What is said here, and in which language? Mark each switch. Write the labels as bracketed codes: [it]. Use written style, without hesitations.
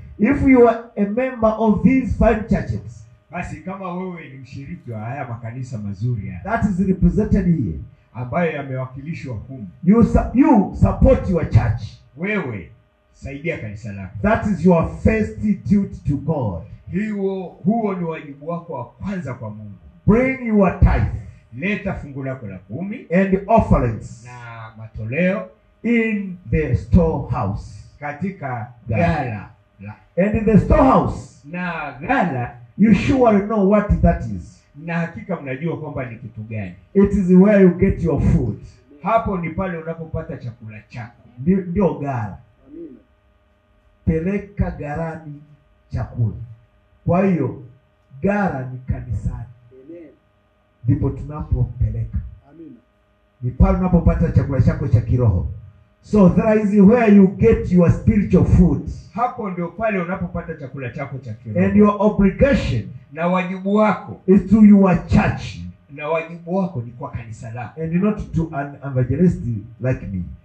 [en] If you are a member of these 5 churches, [sw] basi kama wewe ni mshiriki wa haya makanisa mazuri haya, [en] that is represented here, [sw] ambayo yamewakilishwa humu, [en] you support your church. [sw] Wewe saidia kanisa lako. [en] That is your first duty to God. [sw] Huo ni wajibu wako wa kwanza kwa Mungu. [en] Bring your tithe. [sw] Leta fungu lako la 10 [en] and offerings. [sw] Na matoleo. [en] In the storehouse. [sw] Katika ghala. [en] And in the storehouse. [sw] Na ghala. [en] You sure know what that is. [sw] Na hakika mnajua kwamba ni kitu gani. [en] It is where you get your food. [sw] Hapo ni pale unapopata chakula chako. Ndio ghala. Peleka garani chakula. Kwa hiyo gara ni kanisani. Amen. Ndipo tunapopeleka. Amina. Ni pale unapopata chakula chako cha kiroho. [en] So there is where you get your spiritual food. [sw] Hapo ndio pale unapopata chakula chako cha kiroho. [en] And your obligation, [sw] na wajibu wako, [en] is to your church. [sw] Na wajibu wako ni kwa kanisa lako. [en] And not to an evangelist like me.